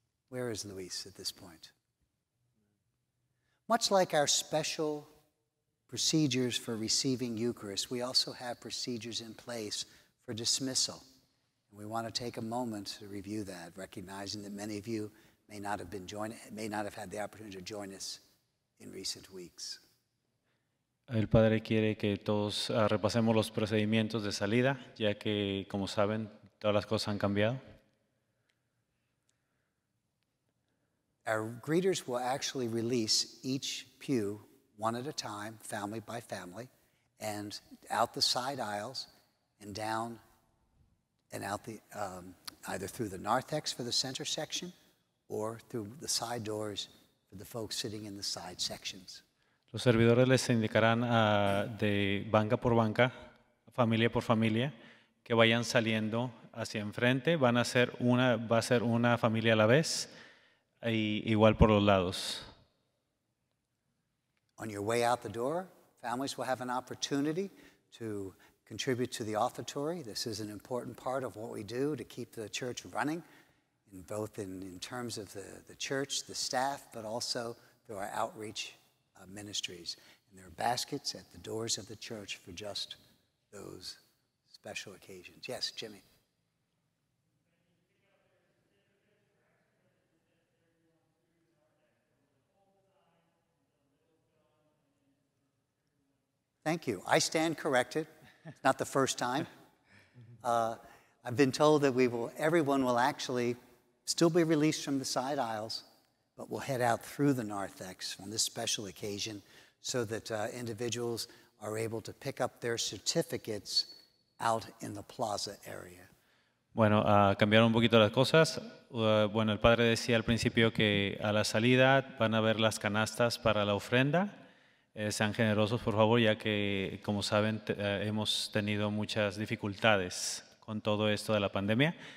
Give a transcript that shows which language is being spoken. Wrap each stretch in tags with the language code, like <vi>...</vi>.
<en>Where is Luis at this point? Much like our special procedures for receiving Eucharist, we also have procedures in place for dismissal. And we want to take a moment to review that, recognizing that many of you may not have had the opportunity to join us in recent weeks.</en> <es>El Padre quiere que todos repasemos los procedimientos de salida, ya que, como saben, todas las cosas han cambiado.</es> <en>Our greeters will actually release each pew one at a time, family by family, and out the side aisles and down and out the either through the narthex for the center section or through the side doors for the folks sitting in the side sections.</en> <es>Los servidores les indicarán de banca por banca, familia por familia, que vayan saliendo hacia enfrente. Va a ser una familia a la vez. Y igual por los lados.</es> <en>On your way out the door, families will have an opportunity to contribute to the offertory. This is an important part of what we do to keep the church running, in both in terms of the church, the staff, but also through our outreach ministries. And there are baskets at the doors of the church for just those special occasions. Yes, Jimmy. Thank you. I stand corrected. It's not the first time. I've been told that everyone will actually still be released from the side aisles, but will head out through the narthex on this special occasion so that individuals are able to pick up their certificates out in the plaza area.</en> <es>Bueno, cambiaron un poquito las cosas. Bueno, el padre decía al principio que a la salida van a ver las canastas para la ofrenda. Sean generosos, por favor, ya que, como saben, hemos tenido muchas dificultades con todo esto de la pandemia.</es>